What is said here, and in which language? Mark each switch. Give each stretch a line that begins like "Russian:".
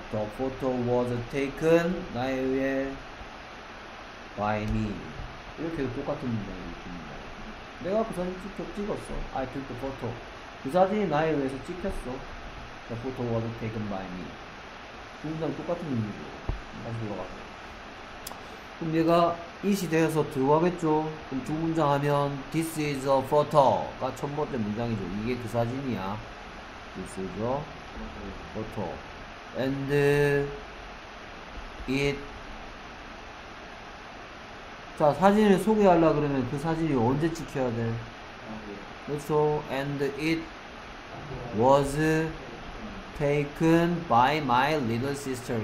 English: The photo was taken
Korean: 나에 의해
English: by me.
Korean: 이렇게 해서 똑같은 문장을 줍니다. 내가 그 사진 찍었어.
English: I took the photo.
Korean: 그 사진이 나에 의해서 찍혔어.
English: The photo was taken by me.
Korean: 두 문장 똑같은 문장이죠. 다시 돌아가세요. 그럼 얘가 it이 되어서 들어가겠죠. 그럼 두 문장 하면
English: This is a photo
Korean: 가 첫 번째 문장이죠. 이게 그 사진이야.
English: This is a photo. And it.
Korean: 자, 사진을 소개하려고 그러면 그 사진이 언제 찍혀야 돼? 그렇죠.
English: And it was taken by my little sister.